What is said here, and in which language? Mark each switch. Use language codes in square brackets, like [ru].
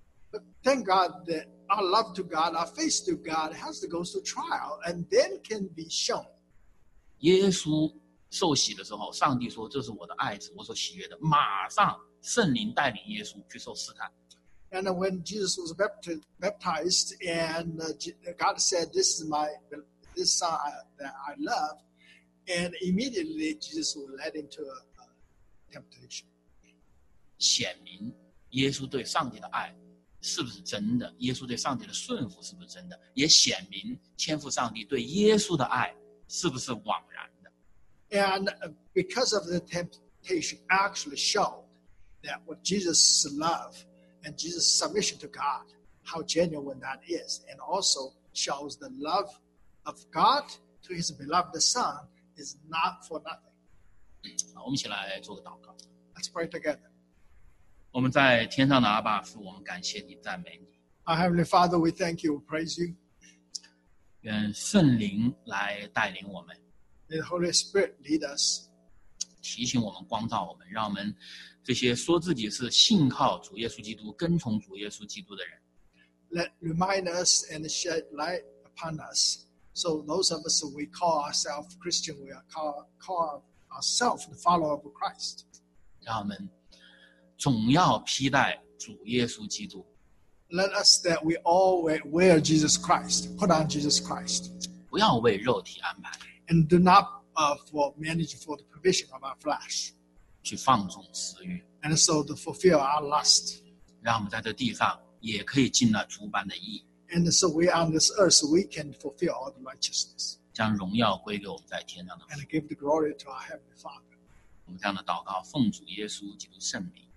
[en] But thank God that our love to God, our faith to God has to go through trial and then can be shown. [zh] 耶稣受洗的时候，上帝说：“这是我的爱子，我所喜悦的。” 马上圣灵带领耶稣去受试探。 [en] And when Jesus was baptized, and God said, "This is my this son that I love," and immediately Jesus was led into a temptation. [zh] 显明耶稣对上帝的爱是不是真的？耶稣对上帝的顺服是不是真的？也显明天父上帝对耶稣的爱是不是枉然的 [en] ？And because of the temptation, actually showed that what Jesus' love and Jesus' submission to God, how genuine that is, and also shows the love of God to His beloved Son is not for nothing. [zh] 好，我们一起来做个祷告。 [en] Let's pray together. [zh] 我们在天上的阿爸父，我们感谢你，赞美你。 [en] Our Heavenly Father, we thank you, praise you. [zh] 愿圣灵来带领我们。 [en] May the Holy Spirit lead us. [zh] 提醒我们，光照我们，让我们这些说自己是信靠主耶稣基督、跟从主耶稣基督的人。 [en] Let remind us and shed light upon us. So those of us who we call ourselves Christian, we are call ourselves the follower of Christ. [zh] 让我们总要披戴主耶稣基督。 [en] Let us that we all wear Jesus Christ, put on Jesus Christ. [zh] 不要为肉体安排。 [en] And do not manage for the provision of our flesh. [zh] 去放纵私欲。 [en] And so to fulfill our lust. [zh] 让我们在这地上也可以尽那诸般的义。 [en] And so we on this earth, we can fulfill all the righteousness. [zh] 将荣耀归给我们在天上的父。 [en] And give the glory to our Heavenly Father. [zh] 我们这样的祷告，奉主耶稣基督圣名。